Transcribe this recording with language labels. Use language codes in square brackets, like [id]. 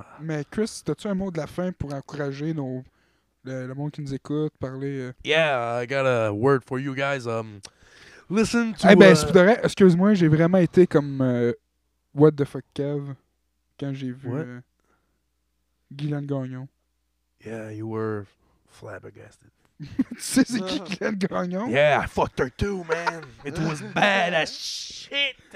[fr] Mais Chris, as-tu un mot de la fin pour encourager le monde qui nous écoute, parler... [en] Yeah, I got a word for you guys. Listen to... [fr] Hey, ben, excuse-moi, j'ai vraiment été comme... [en] what the fuck, Kev? [fr] Quand j'ai vu... [en] Guylaine Gagnon. Yeah, you were flabbergasted. [fr] Tu sais, c'est qui Glenn Gagnon? [en] Yeah, I fucked her too, man. It was bad as shit.